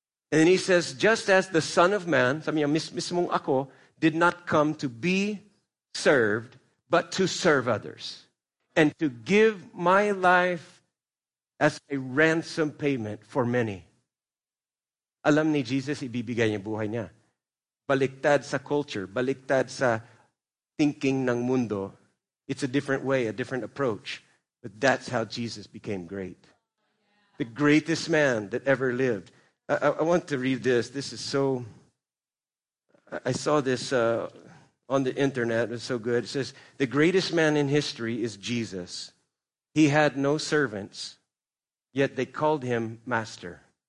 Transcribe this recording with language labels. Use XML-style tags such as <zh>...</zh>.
<en>And then he says, just as the Son of Man,</en> <tl>sabi niya, mismong ako,</tl> <en>did not come to be served, but to serve others. And to give my life as a ransom payment for many.</en> <tl>Alam ni Jesus, ibibigay niya buhay niya. Baliktad sa culture, baliktad sa thinking ng mundo.</tl> <en>It's a different way, a different approach. But that's how Jesus became great. The greatest man that ever lived. I want to read this. This is so... I saw this on the internet. It's so good. It says, the greatest man in history is Jesus. He had no servants, yet they called him master.</en>